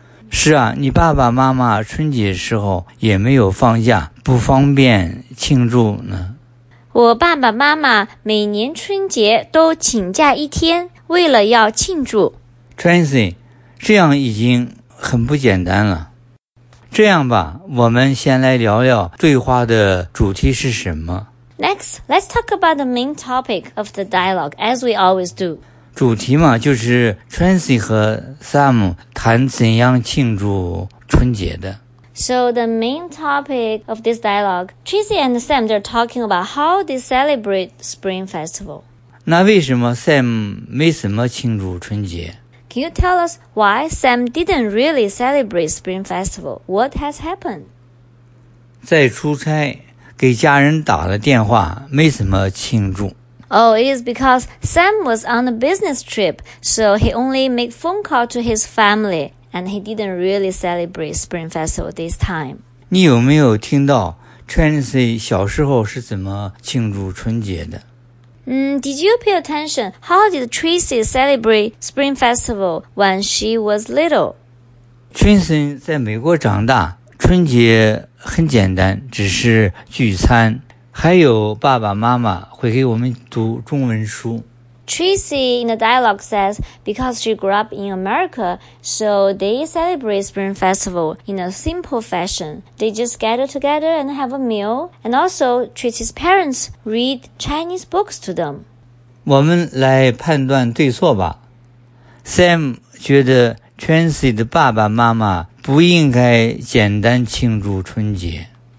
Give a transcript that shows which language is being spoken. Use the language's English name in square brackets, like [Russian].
[Chinese] 是啊，你爸爸妈妈春节时候也没有放假，不方便庆祝呢。我爸爸妈妈每年春节都请假一天，为了要庆祝。 Tracy, 这样已经很不简单了。这样吧，我们先来聊聊对话的主题是什么。 [English] Next, let's talk about the main topic of the dialogue, as we always do. [Chinese] 主题嘛，就是 Tracy 和 Sam 谈怎样庆祝春节的。 [English] So the main topic of this dialogue, Tracy and Sam, they're talking about how they celebrate Spring Festival. [Chinese] 那为什么 Sam 没什么庆祝春节？ [English] Can you tell us why Sam didn't really celebrate Spring Festival? What has happened? [Chinese] 在出差，给家人打了电话，没什么庆祝。 [English] Oh, it is because Sam was on a business trip, so he only made phone call to his family, and he didn't really celebrate Spring Festival this time. [Chinese] 你有没有听到 Tracy 小时候是怎么庆祝春节的？ [English] Did you pay attention? How did Tracy celebrate Spring Festival when she was little? [Chinese] Tracy 在美国长大，春节很简单，只是聚餐。还有爸爸妈妈会给我们读中文书。 [English] Tracy in the dialogue says, because she grew up in America, so they celebrate Spring Festival in a simple fashion. They just gather together and have a meal, and also Tracy's parents read Chinese books to them. [Chinese] 我们来判断对错吧。Sam 觉得 Tracy 的爸爸妈妈不应该简单庆祝春节。